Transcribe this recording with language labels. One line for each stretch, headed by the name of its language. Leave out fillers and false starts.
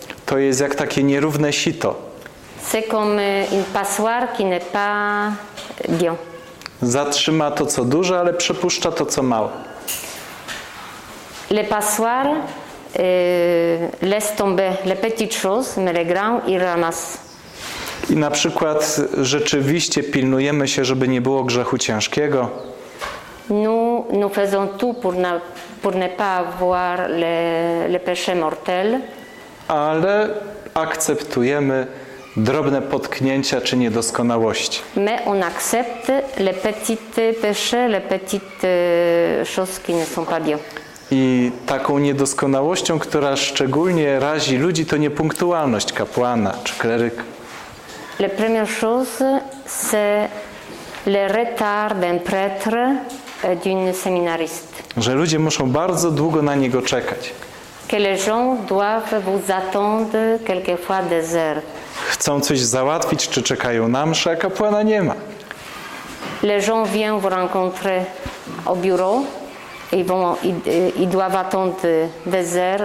Polish: To jest jak takie nierówne sito.
French: C'est comme une passoire qui n'est pas bien.
Polish: Zatrzyma to, co duże, ale przepuszcza to, co małe.
French: Le passoir laisse tomber les petites choses, mais les grands ils ramassent.
Polish: I na przykład rzeczywiście pilnujemy się, żeby nie było grzechu ciężkiego.
French: Nous faisons tout pour ne pas avoir le péché mortel.
Polish: Ale akceptujemy drobne potknięcia czy niedoskonałości.
French: Mais on accepte les petites péchés, les petites choses qui ne sont pas bien.
Polish: I taką niedoskonałością, która szczególnie razi ludzi, to niepunktualność kapłana czy kleryka.
French: La première chose, c'est le retard d'un prêtre et d'une séminariste.
Polish: Że ludzie muszą bardzo długo na niego czekać.
French: Que les gens doivent vous attendre quelquefois des heures.
Polish: Chcą coś załatwić, czy czekają na mszę, a kapłana nie ma.
French: Les gens viennent vous rencontrer au bureau et vont, ils doivent attendre des heures.